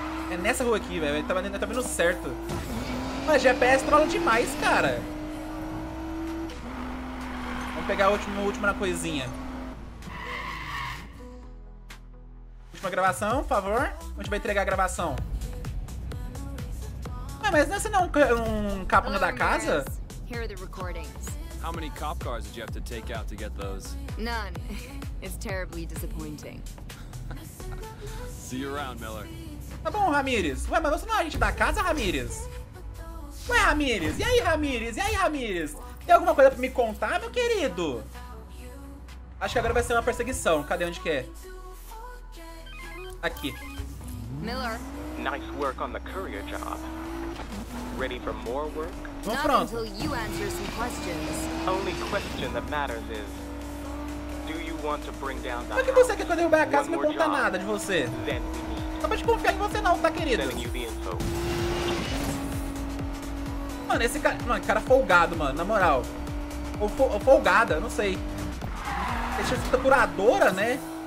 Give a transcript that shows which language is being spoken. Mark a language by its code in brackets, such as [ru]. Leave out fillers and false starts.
[pt] É nessa rua aqui, velho. Tá vendo certo. Mas GPS trola demais, cara. Vamos pegar a última na coisinha. última gravação, por favor. Onde vai entregar a gravação? Ah, mas não é assim, não, um capanga da casa? [en] Here are the recordings. How many cop cars did you have to take out to get those? None. It's terribly disappointing. See you around, Miller. [pt] Tá bom, Ramirez. Ué, mas você não é agente da casa, Ramirez? Ué, Ramirez? E aí, Ramirez? E aí, Ramirez? Tem alguma coisa pra me contar, meu querido? Acho que agora vai ser uma perseguição. Cadê? Onde que é? Aqui. Miller. [en] Nice work on the courier job. Ready for more work? [pt] Vamos pronto. [en] Not until you answer some questions. Only question that matters is, do you want to bring down the... [pt] Como é que você quer que eu derrubar a casa e não me contar nada de você? Só pra te confiar em você não, tá, querido? Mano, esse cara... Mano, cara folgado, mano, na moral. Ou folgada, não sei. Deixa essa curadora, né?